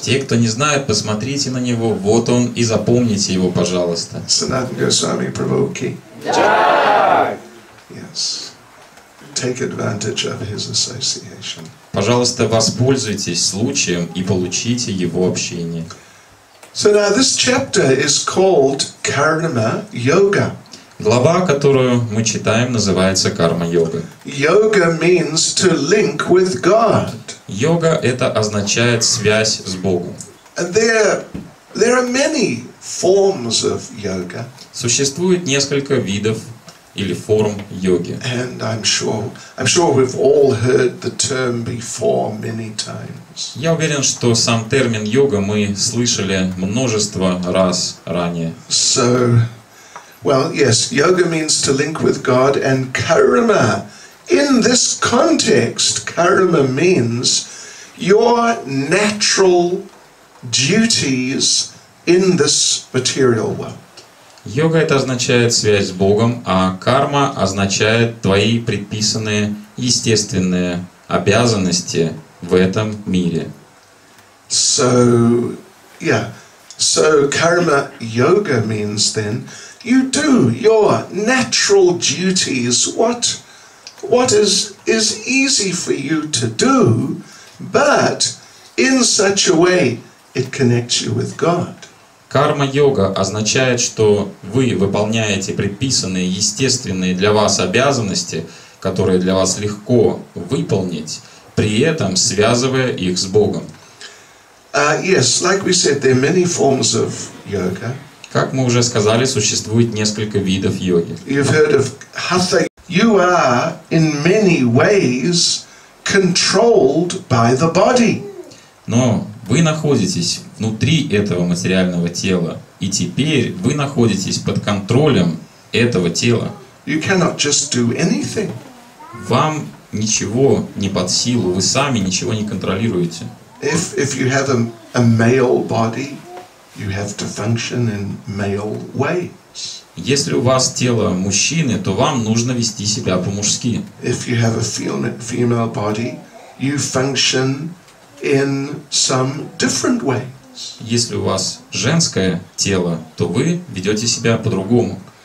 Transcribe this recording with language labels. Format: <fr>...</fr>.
<ru>Те, кто не знает, посмотрите на него. Вот он, и запомните его, пожалуйста.</ru> <hi>Sanatan Goswami Prabhu ki. Yes.</hi> <en>Take advantage of his association.</en> <ru>Пожалуйста, воспользуйтесь случаем и получите его общение.</ru> <en>So now this chapter is called Karma Yoga.</en> <ru>Глава, которую мы читаем, называется «Карма-йога».</ru> <en>Yoga means to link with God.</en> <ru>Йога — это означает связь с Богом.</ru> <en>There are many forms of yoga.</en> <ru>Существует несколько видов или форм йоги.</ru> <en>And I'm sure we've all heard the term before many times.</en> <ru>Я уверен, что сам термин йога мы слышали множество раз ранее.</ru> <en>So, well, yes, yoga means to link with God and karma. In this context, karma means your natural duties in this material world.</en> <ru>Йога — это означает связь с Богом, а карма означает твои предписанные естественные обязанности в этом мире.</ru> <en>So, yeah. So, karma yoga means then you do your natural duties, what is easy for you to do, but in such a way it connects you with God.</en> <ru>Карма-йога означает, что вы выполняете предписанные, естественные для вас обязанности, которые для вас легко выполнить, при этом связывая их с Богом.</ru> <en>Yes, like we said, there are many forms of yoga.</en> <ru>Как мы уже сказали, существует несколько видов йоги.</ru> <en>You've heard of hatha. You are in many ways controlled by the body.</en> <ru>Но вы находитесь внутри этого материального тела, и теперь вы находитесь под контролем этого тела.</ru> <en>You cannot just do anything.</en> <ru>Вам ничего не под силу, вы сами ничего не контролируете.</ru> <en>If you have a male body, you have to function in male ways.</en> <ru>Если у вас тело мужчины, то вам нужно вести себя по-мужски.</ru> <en>If you have a female body, you function in some different ways.</en> <ru>Если у вас женское тело, то вы ведете себя по-другому.</ru>